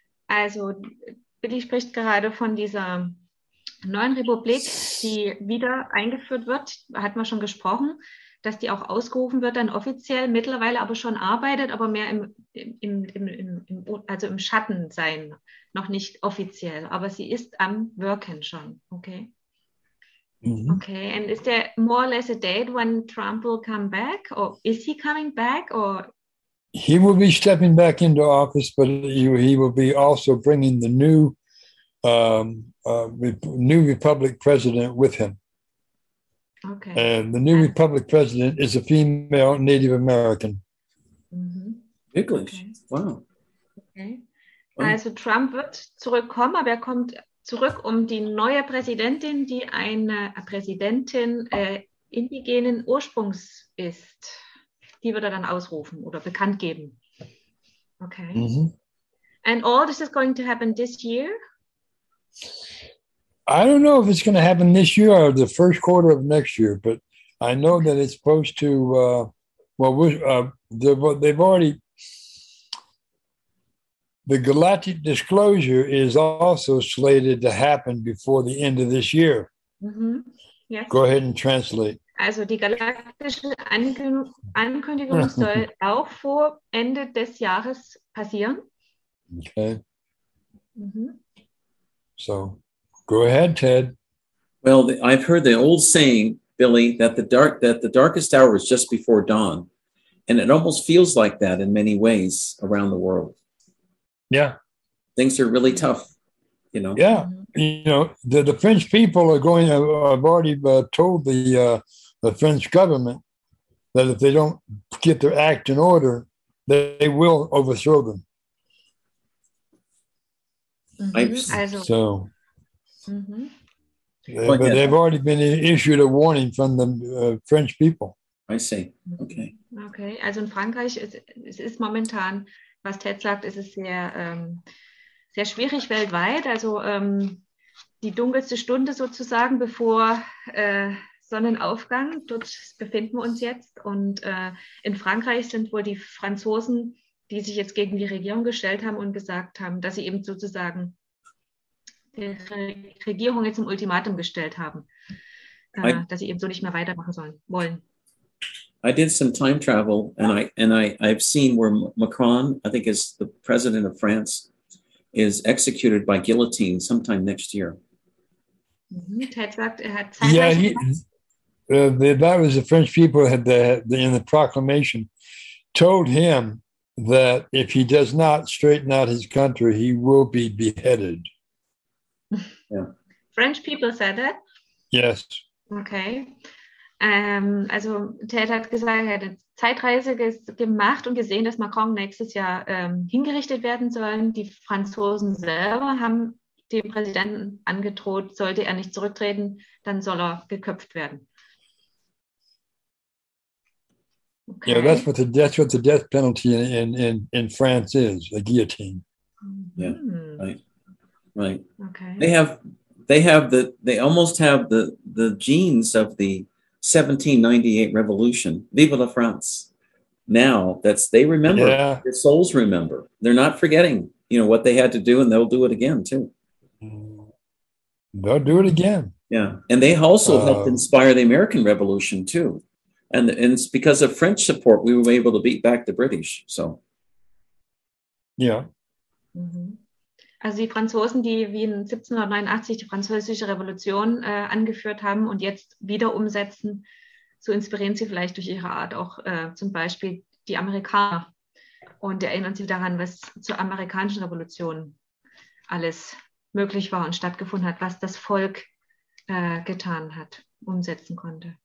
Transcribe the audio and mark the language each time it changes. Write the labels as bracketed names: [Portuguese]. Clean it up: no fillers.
[German] Also, Billy spricht gerade von dieser neuen Republik, die wieder eingeführt wird, hat man schon gesprochen, dass die auch ausgerufen wird, dann offiziell, mittlerweile aber schon arbeitet, aber mehr im Schatten sein, noch nicht offiziell, aber sie ist am Worken schon, okay? Mm-hmm. [English] Okay, and is there more or less a date when Trump will come back, or is he coming back, or? He will be stepping back into office, but he will be also bringing the new new Republic president with him. Okay. And the new Republic president is a female Native American. Mm-hmm. English. Okay. Wow. Okay. [German] Also Trump wird zurückkommen, aber er kommt zurück, um die neue Präsidentin, die eine Präsidentin indigenen Ursprungs ist. Die wird er dann ausrufen oder bekannt geben. [English] Okay. Mm-hmm. And all this is going to happen this year? I don't know if it's going to happen this year or the first quarter of next year, but I know that it's supposed to, they've already, the Galactic Disclosure is also slated to happen before the end of this year. Mm-hmm. Yes. Go ahead and translate. [German] Also die galaktische Ankündigung soll auch vor Ende des Jahres passieren. [English] Okay. Mm-hmm. So, go ahead, Ted. Well, I've heard the old saying, Billy, that the darkest hour is just before dawn. And it almost feels like that in many ways around the world. Yeah. Things are really tough, you know. Yeah. You know, the French people are going, I've already told the French government that if they don't get their act in order, they will overthrow them. [German] Also, [English] so, mm-hmm. But they've already been issued a warning from the French people. I see. Okay. Okay. [German] Also in Frankreich ist momentan, was Ted sagt, ist es sehr sehr schwierig weltweit. Also die dunkelste Stunde sozusagen bevor Sonnenaufgang. Dort befinden wir uns jetzt. Und in Frankreich sind wohl die Franzosen, die sich jetzt gegen die Regierung gestellt haben und gesagt haben, dass sie eben sozusagen die Regierung jetzt im Ultimatum gestellt haben, dass sie eben so nicht mehr weitermachen wollen. [English] I did some time travel and I've seen where Macron, I think is the president of France, is executed by guillotine sometime next year. [German] Mm-hmm. Ted sagt, er hat [English] that was the French people had in the proclamation told him that if he does not straighten out his country, he will be beheaded. Yeah. French people said that? Yes. Okay. [German] Also Ted hat gesagt, er hat eine Zeitreise gemacht und gesehen, dass Macron nächstes Jahr hingerichtet werden soll. Die Franzosen selber haben dem Präsidenten angedroht, sollte er nicht zurücktreten, dann soll er geköpft werden. [English] Okay. Yeah, that's what the death penalty in France is, a guillotine. Mm-hmm. Yeah, right. Okay. They almost have the genes of the 1798 revolution, [French] Vive la France. [English] Now they remember, their souls remember. They're not forgetting, you know, what they had to do, and they'll do it again too. They'll do it again. Yeah, and they also helped inspire the American Revolution too. And it's because of French support we were able to beat back the British. So, yeah. Mm-hmm. [German] Also die Franzosen, die wie in 1789 die französische Revolution angeführt haben und jetzt wieder umsetzen, so inspirieren sie vielleicht durch ihre Art auch zum Beispiel die Amerikaner und erinnern sie daran, was zur amerikanischen Revolution alles möglich war und stattgefunden hat, was das Volk getan hat, umsetzen konnte.